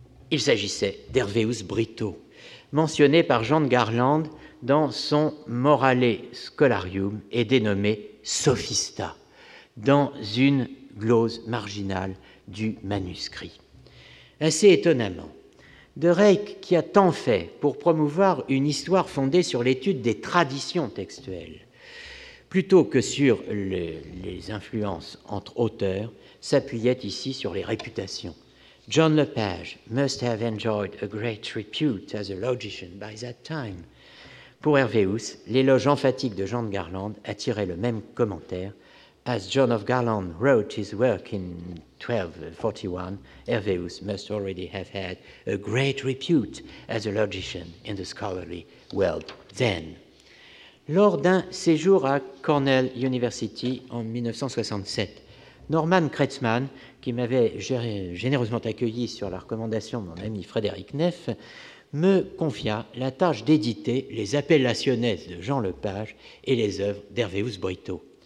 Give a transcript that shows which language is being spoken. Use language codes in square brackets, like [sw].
[fr] Il s'agissait d'Hervéus Brito, mentionné par Jean de Garlande dans son Morale Scholarium et dénommé Sophista, dans une glose marginale du manuscrit. Assez étonnamment, de Reyck, qui a tant fait pour promouvoir une histoire fondée sur l'étude des traditions textuelles, plutôt que sur les influences entre auteurs, s'appuyait ici sur les réputations. [en] John Lepage must have enjoyed a great repute as a logician by that time. [fr] Pour Hervéus, l'éloge emphatique de Jean de Garlande attirait le même commentaire. [en] As John of Garland wrote his work in 1241, Hervéus must already have had a great repute as a logician in the scholarly world then. [fr] Lors d'un séjour à Cornell University en 1967, Norman Kretzmann, qui m'avait généreusement accueilli sur la recommandation de mon ami Frédéric Neff, me confia la tâche d'éditer les appellationnaises de Jean Lepage et les œuvres d'Hervéus Brito.